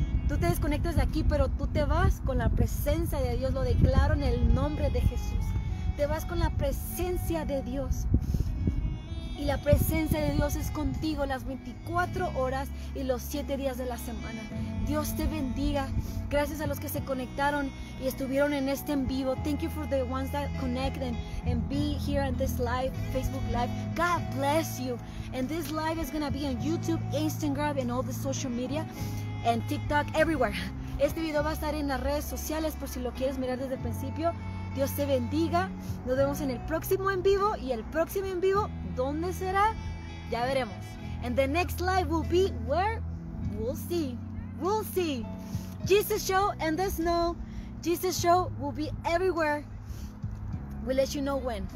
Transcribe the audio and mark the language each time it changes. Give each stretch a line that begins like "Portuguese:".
Spanish: Tú te desconectas de aquí, pero tú te vas con la presencia de Dios. Lo declaro en el nombre de Jesús. Te vas con la presencia de Dios. Y la presencia de Dios es contigo las 24 horas y los 7 días de la semana. Dios te bendiga. Gracias a los que se conectaron y estuvieron en este en vivo.
English: Thank you for the ones that connect and be here in this live, Facebook live. God bless you. And this live is going to be on YouTube, Instagram, and all the social media, and TikTok, everywhere.
Spanish: Este video va a estar en las redes sociales por si lo quieres mirar desde el principio. Dios te bendiga. Nos vemos en el próximo en vivo. Y el próximo en vivo, ¿dónde será? Ya veremos.
English: And the next live will be where? We'll see. We'll see. Jesus Show and the Snow. Jesus Show will be everywhere. We'll let you know when.